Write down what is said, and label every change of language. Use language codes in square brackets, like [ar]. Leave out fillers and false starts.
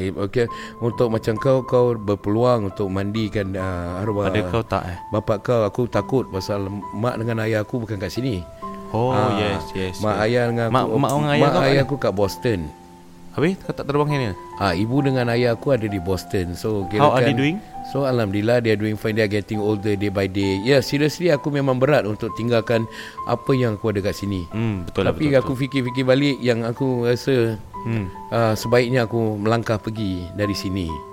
[ms] Okay. Untuk macam kau berpeluang untuk mandikan arwah. Ada kau tak bapak kau? Aku takut pasal mak dengan ayah aku bukan kat sini. [en] Yes. [ms] Mak ayah dengan aku. Mak ayah aku kat Boston. Habis kau tak terbang sini? Ibu dengan ayah aku ada di Boston. [en] So kira how are they doing? So alhamdulillah they are doing fine. They are getting older day by day. Yeah, seriously [ms] aku memang berat untuk tinggalkan apa yang aku ada kat sini. Betul. Tapi betul, aku fikir-fikir balik yang aku rasa sebaiknya aku melangkah pergi dari sini.